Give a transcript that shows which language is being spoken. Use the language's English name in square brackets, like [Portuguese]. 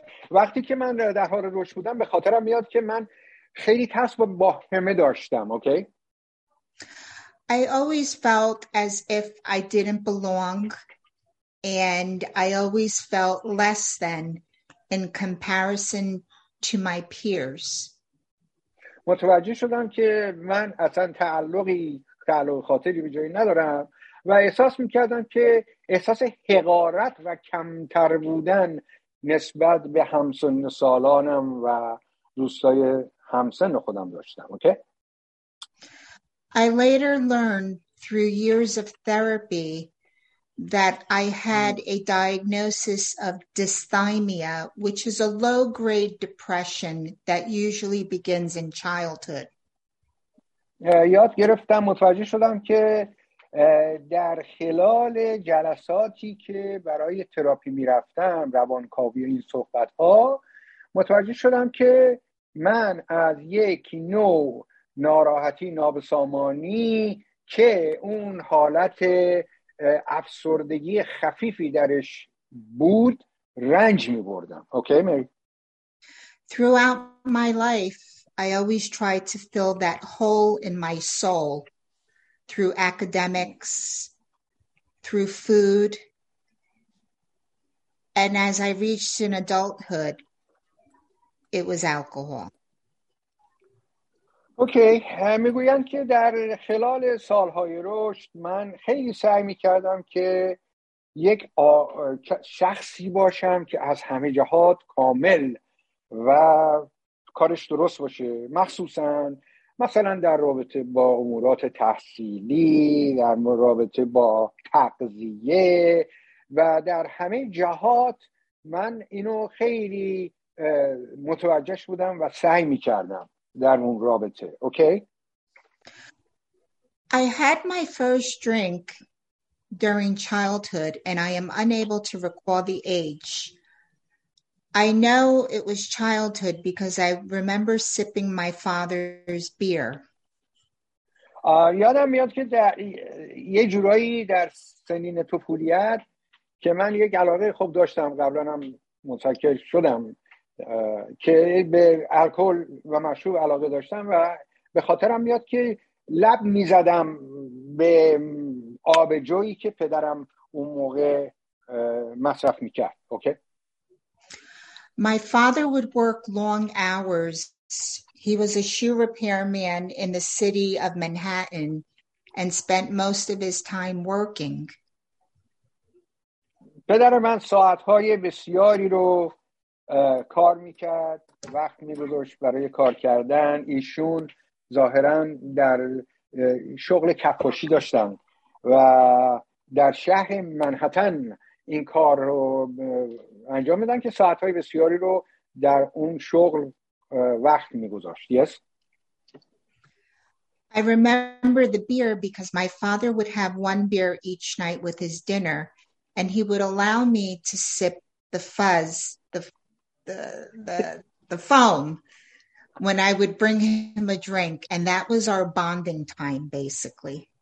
[Persian] وقتی که من در حال رشد بودم به خاطرم میاد که من خیلی ترس و واهمه داشتم. [English] Okay. I always felt as if I didn't belong, and I always felt less than in comparison to my peers. [Persian] متوجه شدم که من اصلا تعلقی خاطری به جایی ندارم و احساس میکردم که احساس حقارت و کمتر بودن نسبت به همسن سالانم و دوستای همسن خودم داشتم. [English] I later learned through years of therapy that I had a diagnosis of dysthymia, which is a low-grade depression that usually begins in childhood. [Persian] یاد گرفتم، متوجه شدم که در خلال جلساتی که برای تراپی می‌رفتم، روانکاوی این صحبت‌ها، متوجه شدم که من از یک نوع ناراحتی نابسامانی که اون حالت افسردگی خفیفی درش بود رنج می بردم. [English] Okay می؟ Throughout my life I always tried to fill that hole in my soul through academics, through food, and as I reached in adulthood it was alcohol. Okay. [Persian] میگویند که در خلال سالهای رشد من خیلی سعی میکردم که یک شخصی باشم که از همه جهات کامل و کارش درست باشه، مخصوصا مثلا در رابطه با امورات تحصیلی، در رابطه با تغذیه و در همه جهات. من اینو خیلی متوجهش بودم و سعی میکردم در اون رابطه. [English] Okay. I had my first drink during childhood and I am unable to recall the age. I know it was childhood because I remember sipping my father's beer. [Persian] یادم میاد که در یه جورایی در سنین طفولیت که من یک علاقه خوب داشتم، قبلا هم متکل شدم که به الکل و مشروب علاقه داشتم و به خاطرم میاد که لب میزدم به آب جویی که پدرم اون موقع مصرف میکرد. [English] My father would work long hours. He was a shoe repairman in the city of Manhattan and spent most of his time working. [Persian] پدر من ساعت‌های بسیاری رو کار میکرد، وقت میگذاشت برای کار کردن. ایشون ظاهرا در شغل کفاشی داشتن و در شهر منهتن این کار رو انجام میدن که ساعتهای بسیاری رو در اون شغل وقت میگذاشت. [English] Yes. I remember the beer because my father would have one beer each night with his dinner and he would allow me to sip the fuzz, the foam when I would bring him a drink and that was our bonding time basically.